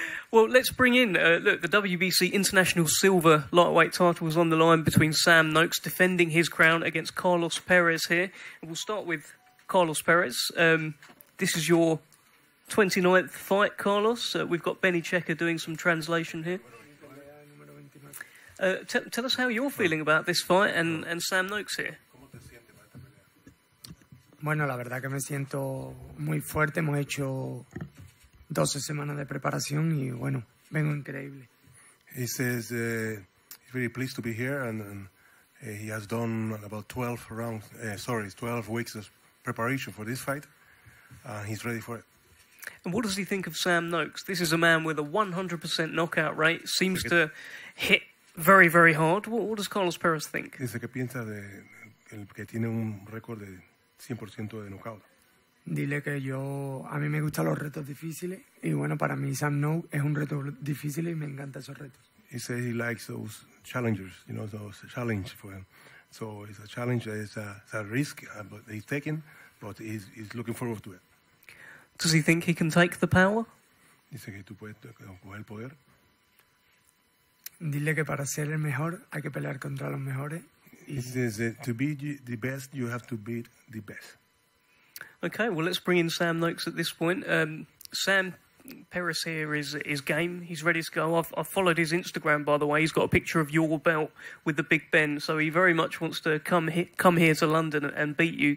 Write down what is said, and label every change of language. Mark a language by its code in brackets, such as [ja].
[en] Well, let's bring in, look, the WBC International Silver Lightweight title was on the line between Sam Noakes defending his crown against Carlos Perez here. And we'll start with Carlos Perez. This is your 29th fight, Carlos. We've got Benny Checker doing some translation here. Tell us how you're feeling about this fight and Sam Noakes here. [es] Bueno, la verdad que me siento muy fuerte, muy hecho... 12 semanas de preparación y bueno, vengo increíble. [en] He says he's very pleased to be here and he has done about 12 weeks of preparation for this fight. He's ready for it. And what does he think of Sam Noakes? This is a man with a 100% knockout rate, seems to hit very, very hard. What does Carlos Perez think? [es] Dice que piensa de el que tiene un récord de 100% de knockout. Dile que yo, a mí me gustan los retos difíciles y bueno, para mí Sam Noakes es un reto difícil y me encantan esos retos. [en] He says he likes those challengers, you know, those challenge for him. So it's a challenge, it's a risk but he's taking, but he's looking forward to it. Does he think he can take the power? [es] Dice que tú puedes coger el poder. Dile que para ser el mejor hay que pelear contra los mejores. [en] He says that to be the best, you have to beat the best. Okay, well, let's bring in Sam Noakes at this point. Sam Perez here is game. He's ready to go. I've followed his Instagram, by the way. He's got a picture of your belt with the Big Ben, so he very much wants to come here to London and beat you.